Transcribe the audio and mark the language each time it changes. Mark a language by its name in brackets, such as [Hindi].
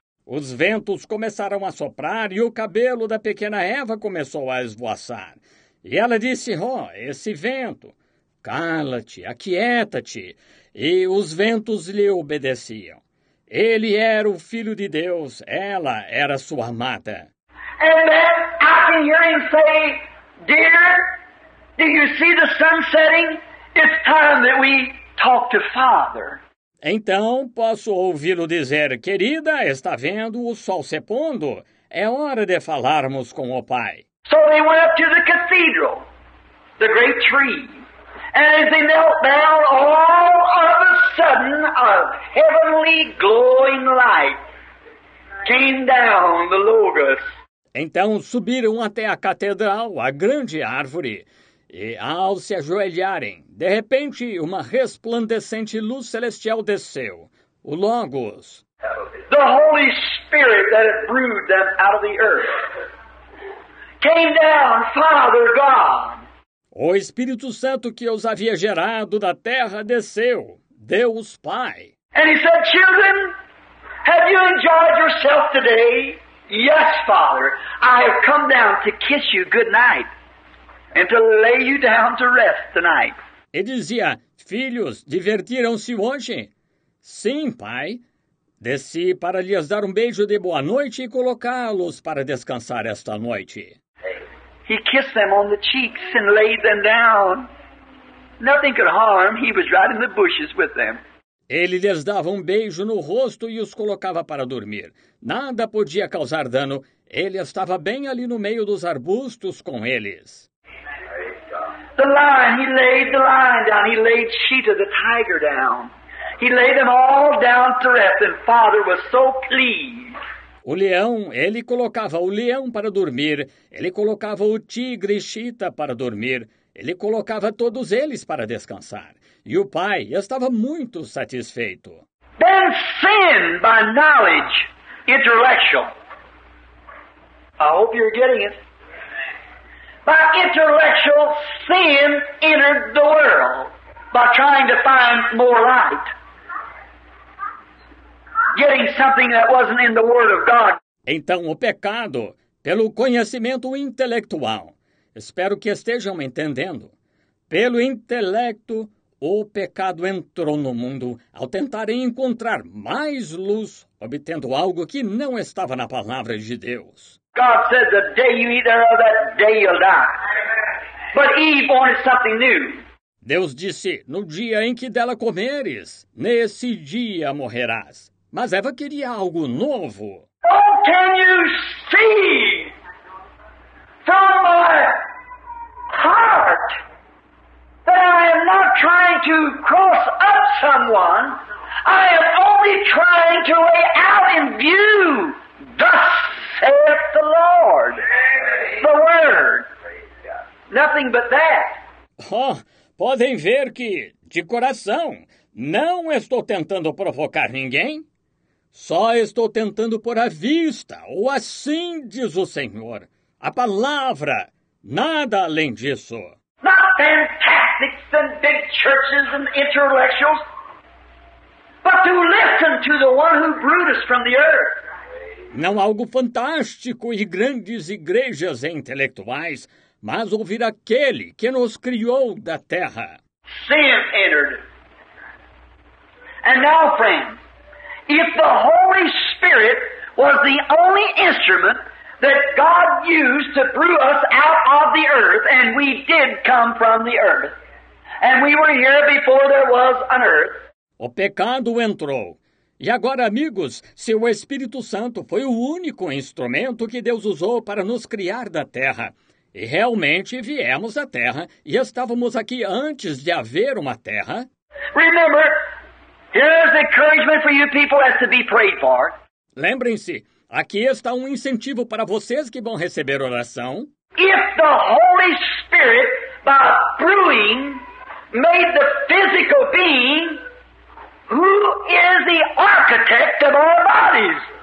[Portuguese] Os ventos começaram a soprar e o cabelo da pequena Eva começou a esvoaçar. E ela disse, esse vento, cala-te, aquieta-te. E os ventos lhe obedeciam. Ele era o Filho de Deus, ela era sua amada. [English] And then I can hear him say, dear, do you see the sun setting? It's time that we talk to Father. [Portuguese] Então posso ouvi-lo dizer, querida, está vendo o sol se pondo? É hora de falarmos com o Pai. [English] So they went up to the cathedral, the great tree. And as they knelt down, all of a sudden, a heavenly glowing light came down the Logos. [Portuguese] Então subiram até a catedral, a grande árvore. E ao se ajoelharem, de repente, uma resplandecente luz celestial desceu, o Logos. [English] The Holy Spirit that had brewed them out of the earth came down, Father God. [Portuguese] O Espírito Santo que os havia gerado da terra desceu, Deus Pai. [English] And he said, children, have you enjoyed yourself today? Yes, Father, I have come down to kiss you good night and to lay you down to rest tonight. [Portuguese] E dizia, filhos, divertiram-se hoje? Sim, Pai. Desci para lhes dar um beijo de boa noite e colocá-los para descansar esta noite. [English] He kissed them on the cheeks and laid them down. Nothing could harm. He was right in the bushes with them. [Portuguese] Ele lhes dava um beijo no rosto e os colocava para dormir. Nada podia causar dano. Ele estava bem ali no meio dos arbustos com eles. [English] The lion, he laid the lion down. He laid Sheeta the tiger down. He laid them all down to rest. And Father was so pleased. [Portuguese] O leão, ele colocava o leão para dormir, ele colocava o tigre Sheeta para dormir, ele colocava todos eles para descansar. E o pai estava muito satisfeito. [English] Then sin by knowledge, intellectual. I hope you're getting it. By intellectual, sin entered the world by trying to find more light. Getting something that wasn't in the Word of God. [Portuguese] Então, o pecado, pelo conhecimento intelectual. Espero que estejam entendendo. Pelo intelecto, o pecado entrou no mundo ao tentar encontrar mais luz, obtendo algo que não estava na palavra de Deus. [English] God said, the day you eat thereof, that day you'll die. But Eve wanted something new. [Portuguese] Deus disse, no dia em que dela comeres, nesse dia morrerás. Mas Eva queria algo novo. [English] Oh, can you see from my heart the not trying to cross up someone. I am only trying to lay out in view, thus saith the Lord, the Word. Nothing but that. [Portuguese] Oh, podem ver que, de coração, não estou tentando provocar ninguém. Só estou tentando pôr à vista, ou assim diz o Senhor, a palavra, nada além disso. [English] Not fantastic and big churches and intellectuals, but to listen to the one who brought us from the earth. [Portuguese] Não algo fantástico e grandes igrejas e intelectuais, mas ouvir aquele que nos criou da terra. [English] Sin entered. And now, friends, if the Holy Spirit was the only instrument that God used to brew us out of the earth, and we did come from the earth, and we were here before there was an earth. [Portuguese] O pecado entrou. E agora, amigos, se o Espírito Santo foi o único instrumento que Deus usou para nos criar da terra, e realmente viemos à terra, e estávamos aqui antes de haver uma terra... [English] Remember, here's the encouragement for you people as to be prayed for. [Portuguese] Lembrem-se, aqui está um incentivo para vocês que vão receber oração. [English] If the Holy Spirit, by brewing, made the physical being, who is the architect of our bodies?